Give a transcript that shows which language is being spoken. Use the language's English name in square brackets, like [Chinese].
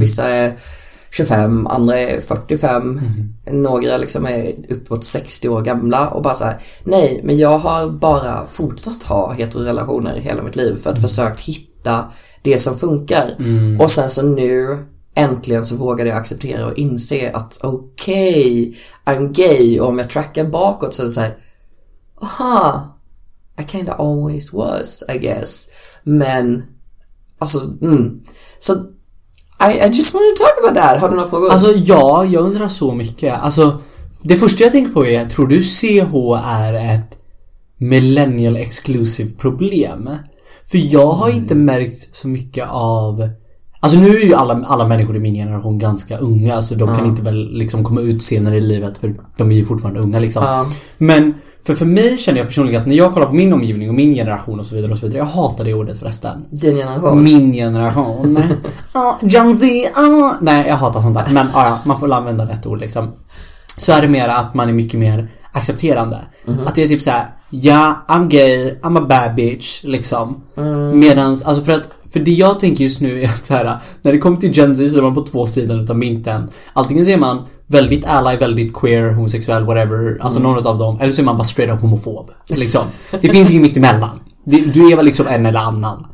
[Swedish] Vissa är 25, andra är 45, några liksom är uppåt 60 år gamla och bara så här, nej, men jag har bara fortsatt ha heterorelationer hela mitt liv för att försökt hitta det som funkar. Och sen så nu äntligen så vågade jag acceptera och inse att okej, okay, [English] I'm gay, [Swedish] och om jag trackar bakåt så är det så här, aha, [English] I kinda always was, I guess. [Swedish] Men alltså, så [English] I just want to talk about that. [Swedish] Har du några frågor? Alltså ja, jag undrar så mycket. Alltså det första jag tänker på är, tror du CH är ett millennial exclusive problem? För jag har inte märkt så mycket av, alltså nu är ju alla människor i min generation ganska unga, så de kan inte väl liksom komma ut senare i livet, för de är ju fortfarande unga liksom. Men för mig känner jag personligen att när jag kollar på min omgivning och min generation och så vidare och så vidare, jag hatar det ordet förresten. Din generation. Min generation. Gen Z. Nej, jag hatar sånt där. Men ja, man får använda rätt ord liksom. Så är det mer att man är mycket mer accepterande. Att det är typ så här, [English] ja, yeah, I'm gay, I'm a bad bitch, [Swedish] liksom. Mm. Medans, alltså för det jag tänker just nu är att så här, när det kommer till Gen Z så är man på två sidor utav mynten. Alltingen så är man väldigt ally, väldigt queer, homosexuell, whatever, alltså mm. något av dem. Eller så är man bara straight up homofob, liksom. Det finns inget mitt emellan. Du är väl liksom en eller annan.